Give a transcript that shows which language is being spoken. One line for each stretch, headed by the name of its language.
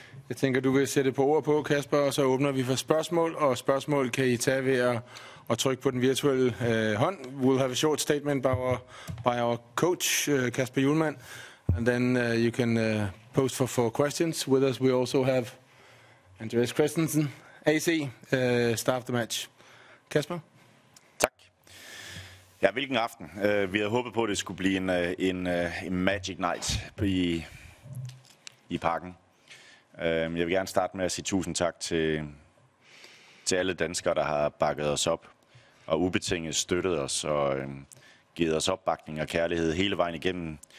Danish: Jeg tænker, du vil sætte på ord på, Kasper, og så åbner vi for spørgsmål. Og spørgsmål kan I tage ved at trykke på den virtuelle hånd.
English: We'll have a short statement by our coach, Kasper Hjulmand. And then you can post for questions. With us, we also have Andreas Christensen, AC, start of the match. Kasper?
Danish: Tak. Ja, hvilken aften. Vi havde håbet på, at det skulle blive en
English: magic night
Danish: i parken. Jeg vil gerne starte med at sige tusind tak til alle danskere, der har bakket os op og ubetinget støttet os og givet os opbakning og kærlighed hele vejen igennem.